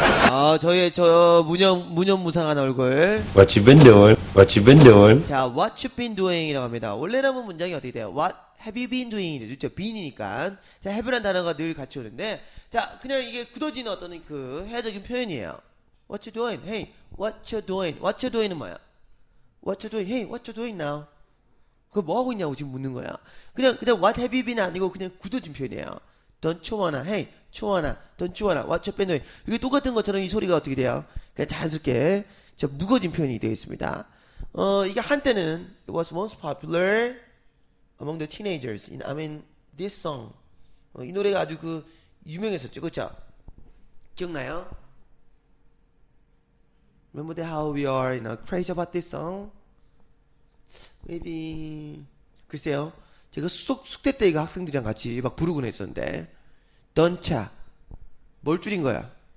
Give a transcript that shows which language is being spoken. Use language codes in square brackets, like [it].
[ko] 아, 저의 저 무념무상한 얼굴. [en] What you been doing? What you been doing? [ko] 자, [en] what you been doing [ko] 이라고 합니다. 원래라면 문장이 어떻게 돼요? [en] What have you been doing? [ko] 그렇죠? [en] been이니까. [ko] 자, have란 단어가 늘 같이 오는데, 자, 그냥 이게 굳어지는 어떤 그 회화적인 표현이에요. [en] What you doing? Hey, what you doing? What you doing은 [ko] 뭐야? [en] What you doing? Hey, what you doing now? [ko] 그 뭐 하고 있냐고 지금 묻는 거야. 그냥 [en] what have you been [ko] 아니고 그냥 굳어진 표현이에요. [en] Don't you wanna? Hey, you wanna? Don't you wanna? What you been doing? [ko] 이게 똑같은 것처럼 이 소리가 어떻게 돼요? 그냥 자연스럽게 저 묵어진 표현이 되어 있습니다. 이게 한때는 [en] it was most popular among the teenagers. I mean this song. [ko] 이 노래가 아주 그 유명했었죠, 그렇죠? 기억나요? [en] Remember that how we are, you know, crazy about this song? Maybe [ko] 글쎄요. 제가 숙대 때 이거 학생들이랑 같이 막 부르곤 했었는데 [en] Don't ya [ko] 뭘 줄인 거야?